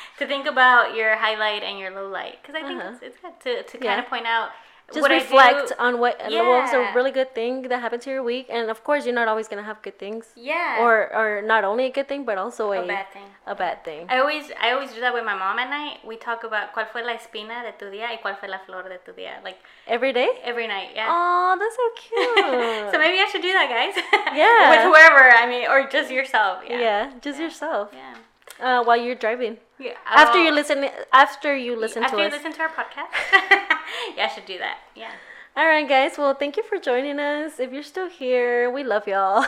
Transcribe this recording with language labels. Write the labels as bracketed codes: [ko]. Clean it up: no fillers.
[en] To think about your highlight and your low light, because I think it's good to kind of point out. Just what reflect I do. On what was a really good thing that happened to your week, and of course, you're not always gonna have good things. Yeah. Or not only a good thing, but also a bad thing. A bad thing. I always do that with my mom at night. We talk about [es] cuál fue la espina de tu día y cuál fue la flor de tu día. [en] Like every day. Every night. Yeah. Oh, that's so cute. So maybe I should do that, guys. Yeah. With whoever, I mean, or just yourself. Yeah. Yourself. Yeah. While you're driving. Yeah. After you listen to our podcast. Yeah, I should do that. Yeah. All right, guys. Well, thank you for joining us. If you're still here, we love y'all.